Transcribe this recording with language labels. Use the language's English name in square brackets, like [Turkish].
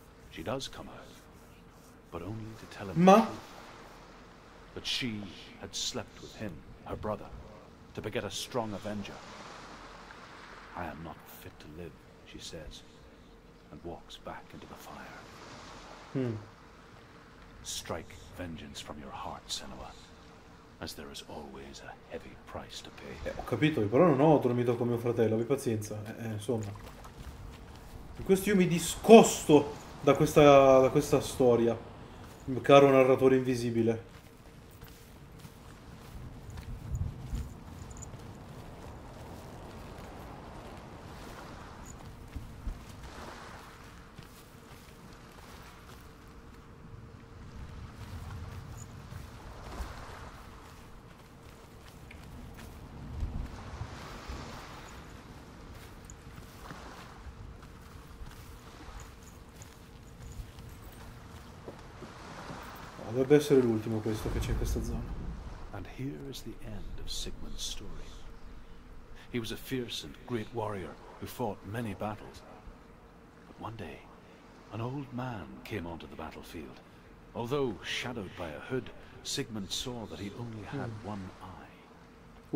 [English] She does come out, but only to tell him that she had slept with him, her brother, to beget a strong avenger. I am not fit to live, she says, and walks back into the fire. Strike vengeance from your heart, Senua, as there is always a heavy price to pay. [Italian] Ho capito, però non ho dormito con mio fratello, abbi pazienza. Insomma, in questo io mi discosto da questa storia, caro narratore invisibile. Deve essere l'ultimo questo che c'è in questa zona. [English] And here is the end of Sigmund's story. He was a fierce and great warrior who fought many battles. But one day, an old man came onto the battlefield. Although shadowed by a hood, Sigmund saw that he only had one eye.